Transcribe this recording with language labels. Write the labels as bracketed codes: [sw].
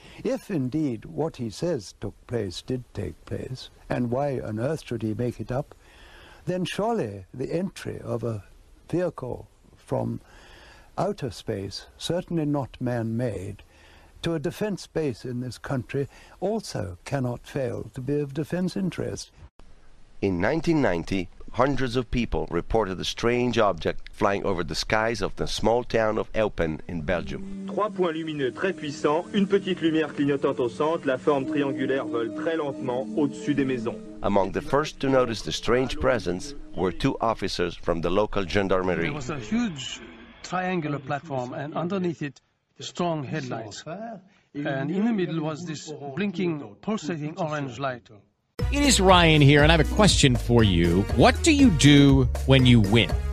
[en] If indeed what he says took place did take place, and why on earth should he make it up, then surely the entry of a vehicle from outer space, certainly not man-made, to a defense base in this country also cannot fail to be of defense interest. In 1990, hundreds of people reported a strange object flying over the skies of the small town of Elpen in Belgium. [fr] Trois points lumineux très puissants, une petite lumière clignotante au centre, la forme triangulaire vole très lentement au-dessus des maisons. [en] Among the first to notice the strange presence were two officers from the local gendarmerie. There was a huge triangular platform and underneath it strong headlights. And in the middle was this blinking, pulsating orange light. It is Ryan here, and I have a question for you. What do you do when you win?